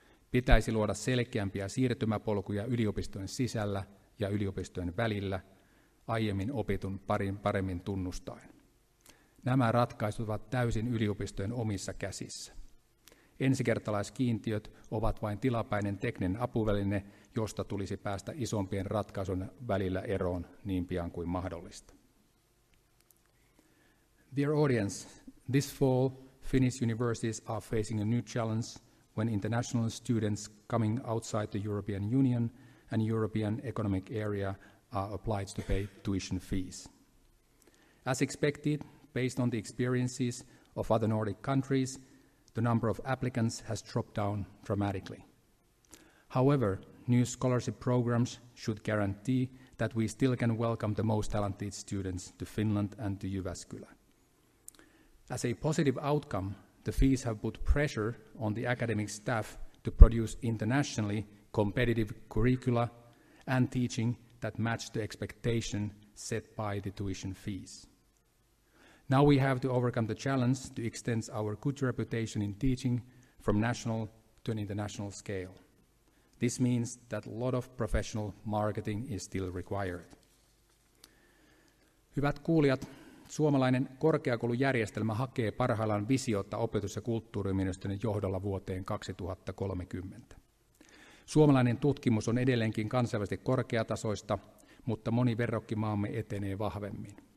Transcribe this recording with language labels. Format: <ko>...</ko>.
<fi>Pitäisi luoda selkeämpiä siirtymäpolkuja yliopistojen sisällä ja yliopistojen välillä, aiemmin opitun paremmin tunnustaen. Nämä ratkaisut ovat täysin yliopistojen omissa käsissä. Ensikertalaiskiintiöt ovat vain tilapäinen tekninen apuväline, josta tulisi päästä isompien ratkaisun välillä eroon niin pian kuin mahdollista.</fi> <en>Dear audience, this fall, Finnish universities are facing a new challenge when international students coming outside the European Union and European Economic Area are obliged to pay tuition fees. As expected, based on the experiences of other Nordic countries, the number of applicants has dropped down dramatically. However, new scholarship programs should guarantee that that we still can welcome the most talented students to Finland and to Jyväskylä. As a positive outcome, the fees have put pressure on the academic staff to produce internationally competitive curricula and teaching that match the expectation set by the tuition fees. Now we have to overcome the challenge to extend our good reputation in teaching from national to an international scale. This means that a lot of professional marketing is still required.</en> <fi>Hyvät kuulijat, suomalainen korkeakoulujärjestelmä hakee parhaillaan visiota opetus- ja kulttuuriministeriön johdolla vuoteen 2030. Suomalainen tutkimus on edelleenkin kansainvälisesti korkeatasoista, mutta moni verrokkimaamme etenee vahvemmin.</fi>